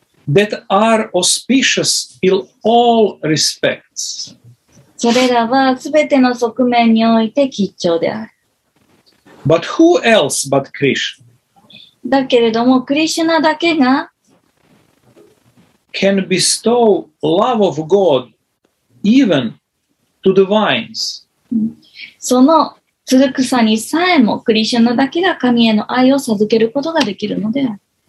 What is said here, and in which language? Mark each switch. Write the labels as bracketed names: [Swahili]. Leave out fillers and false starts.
[English] That are auspicious in all respects. [Japanese] それらはすべての側面において吉兆である。 [English] But who else but Krishna? [Japanese] だけれども、クリシュナだけが [English] can bestow love of God even to the vines. [Japanese] そのつる草にさえもクリシュナだけが神への愛を授けることができるのである。